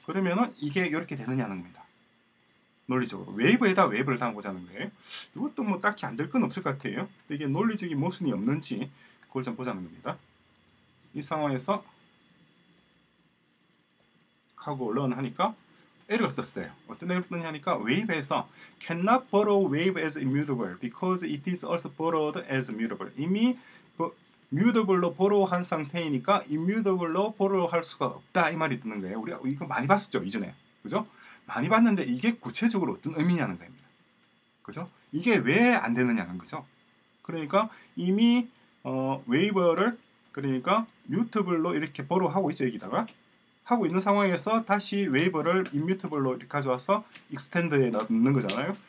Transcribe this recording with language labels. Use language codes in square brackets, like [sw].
[ko] 그러면은 이게 이렇게 되느냐는 겁니다. 논리적으로 웨이브에다 웨이브를 담아보자는 거예요. 이것도 뭐 딱히 안 될 건 없을 것 같아요. 이게 논리적인 모순이 없는지 그걸 좀 보자는 겁니다. 이 상황에서 하고 런 하니까 에러가 떴어요. 어떤 에러가 떴냐니까 웨이브에서 [en] cannot borrow wave as immutable because it is also borrowed as mutable. [ko] 이미 뮤터블로 보러한 상태이니까 이뮤터블로 보러할 수가 없다 이 말이 드는 거예요. 우리가 이거 많이 봤었죠 이전에, 그죠? 많이 봤는데 이게 구체적으로 어떤 의미냐는 겁니다, 그죠? 이게 왜 안 되느냐는 거죠. 그러니까 이미 웨이버를 그러니까 뮤터블로 이렇게 보러하고 있죠 여기다가 하고 있는 상황에서 다시 웨이버를 인뮤터블로 이렇게 가져와서 익스텐드에 넣는 거잖아요.